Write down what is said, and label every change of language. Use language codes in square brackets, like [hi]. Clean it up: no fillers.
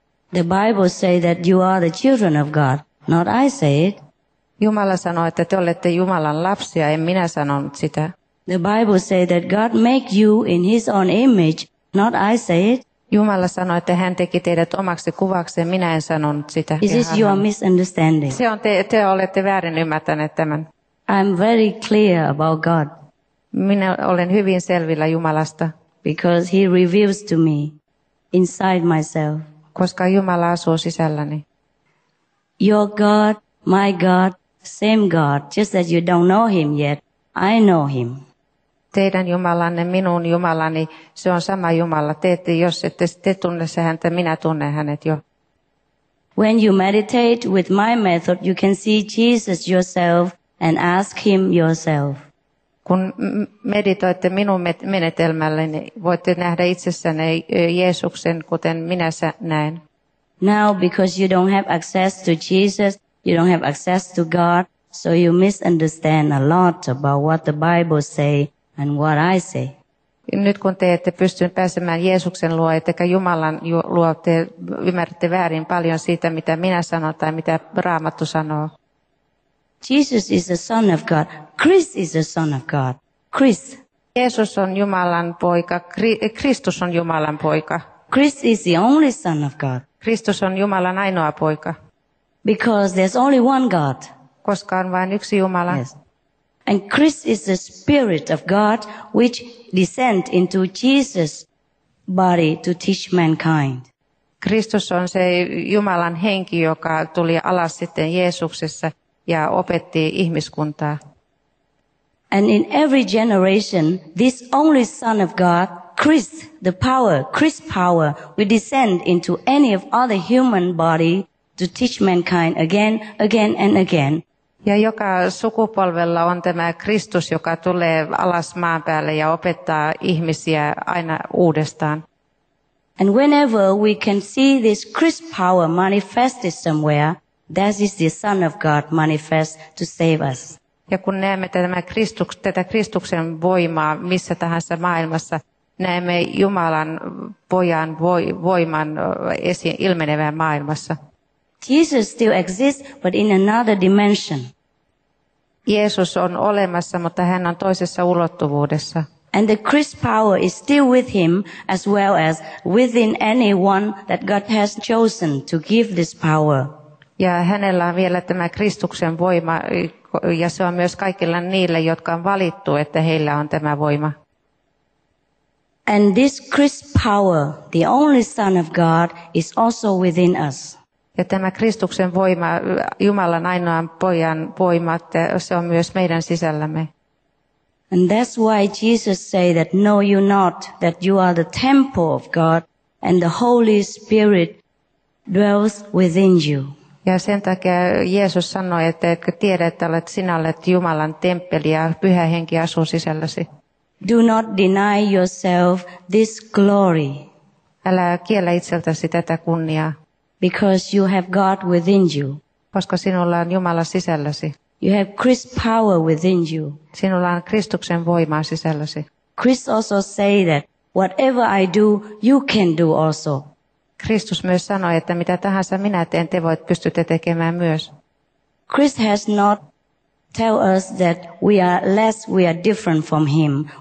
[en] The Bible say that you are the children of God, not I say it. [fi] Jumala sanoo, että te olette Jumalan lapsia, en minä sanonut sitä. [en] The Bible say that God make you in his own image, not I say it. [fi] Jumala sanoo, että hän teki teidät omaksi kuvaksi, minä en sanonut sitä. [en] Is this your misunderstanding? [fi] Se on te olette väärin ymmärtäneet tämän. [en] I'm very clear about God. [fi] Minä olen hyvin selvillä Jumalasta. [en] Because he reveals to me inside myself. [fi] Koska Jumala asuu sisälläni. [en] Your God, my God, same God, just that you don't know him yet, I know him. [fi] Teidän Jumalanne, minun Jumalani, se on sama Jumala. Jos ette tunne häntä, minä tunnen hänet jo. [en] When you meditate with my method, you can see Jesus yourself and ask him yourself. [fi] Kun meditoitte minun menetelmälleni, niin voitte nähdä itsessänne Jeesuksen, kuten minä näen. [en] Now, because you don't have access to Jesus, you don't have access to God, so you misunderstand a lot about what the Bible say and what I say. [fi] Nyt kun te ette pysty pääsemään Jeesuksen luo, etteikä Jumalan luo, te ymmärrätte väärin paljon siitä, mitä minä sanon tai mitä Raamattu sanoo. [en] Jesus is the Son of God. Chris is the Son of God. Chris. [fi] Jeesus on Jumalan poika. Kristus on Jumalan poika. [en] Chris is the only Son of God. [fi] Kristus on Jumalan ainoa poika. [en] Because there's only one God. [fi] Koska on vain yksi Jumala. [en] Yes. And Chris is the Spirit of God which descend into Jesus' body to teach mankind. [fi] Kristus on se Jumalan henki, joka tuli alas sitten Jeesuksessa ja opetti ihmiskuntaa. [en] And in every generation, this only Son of God, Chris, the power, Chris power, will descend into any of other human body to teach mankind again, again and again. [fi] Ja joka sukupolvella on tämä Kristus, joka tulee alas maan päälle ja opettaa ihmisiä aina uudestaan. [en] And whenever we can see this Christ power manifested somewhere, that is the Son of God manifest to save us. [fi] Ja kun näemme tätä Kristuksen voimaa missä tahansa maailmassa, näemme Jumalan pojan voiman ilmenevän maailmassa. [en] Jesus still exists, but in another dimension. [fi] Jeesus on olemassa, mutta hän on toisessa ulottuvuudessa. [en] And the Christ power is still with him, as well as within anyone that God has chosen to give this power. [fi] Ja hänellä on vielä tämä Kristuksen voima, ja se on myös kaikilla niille, jotka on valittu, että heillä on tämä voima. [en] And this Christ power, the only Son of God, is also within us. [fi] Ja tämä Kristuksen voima, Jumalan ainoan pojan voima, se on myös meidän sisällämme. [en] And that's why Jesus say that know you not that you are the temple of God and the Holy Spirit dwells within you. [fi] Ja sen takia Jeesus sanoi, että etkö tiedä, että olet sinä olet Jumalan temppeli ja Pyhä Henki asuu sisälläsi. [en] Do not deny yourself this glory. [fi] Älä kiellä itseltäsi tätä kunniaa. [en] Because you have God within you. [fi] Koska sinulla on Jumala sisälläsi. [en] You have Christ power within you. [fi] Sinulla on Kristuksen voimaa sisälläsi. [en] Christ also say that whatever I do, you can do also. [fi] Kristus myös sanoi, että mitä tahansa minä teen, te voit pystytte tekemään myös. [en] Christ has not tell us that we are less, we are different from him.